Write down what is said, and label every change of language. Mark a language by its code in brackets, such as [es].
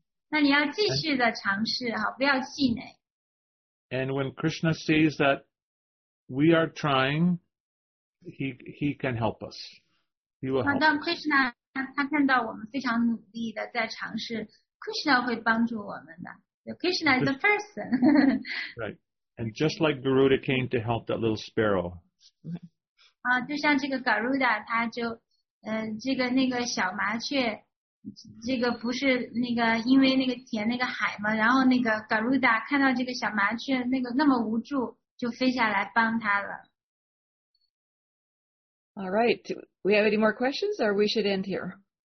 [zh] 那你要继续的尝试，好，不要气馁。 [en] And when Krishna sees that we are trying, he can help us. He will help. [zh] 当 Krishna 他看到我们非常努力的在尝试。 Krishna 会帮助我们的。 [en] Krishna is a person. Right. And just like Garuda came to help that little sparrow. [zh] 啊，就像这个 Garuda, 他就，这个那个小麻雀，这个不是那个因为那个填那个海嘛，然后那个 Garuda 看到这个小麻雀那个那么无助，就飞下来帮他了。 [en] All right. We have any more questions or we should end here?